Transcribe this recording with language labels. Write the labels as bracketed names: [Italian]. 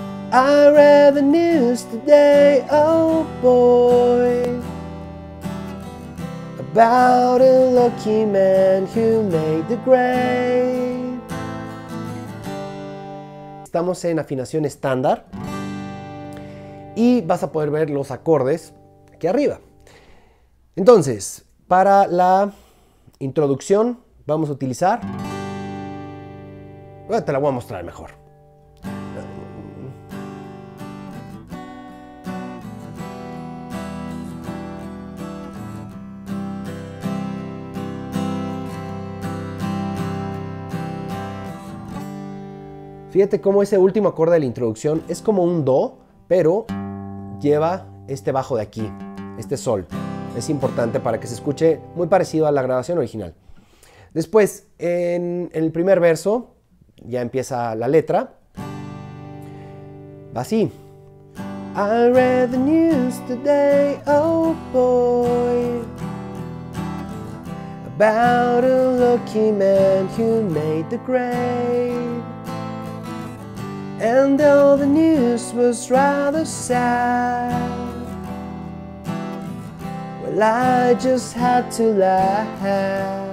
[English] I read the news today, oh boy, about a lucky man who made the grade. [Spanish] Estamos en afinación estándar y vas a poder ver los acordes aquí arriba. Entonces, para la introducción vamos a utilizar... Bueno, te la voy a mostrar mejor. Fíjate cómo ese último acorde de la introducción es como un do, pero lleva este bajo de aquí, este sol. Es importante para que se escuche muy parecido a la grabación original. Después, en el primer verso, ya empieza la letra. Va así. [English] I read the news today, oh boy, about a lucky man who made the grade. And though the news was rather sad, well, I just had to laugh.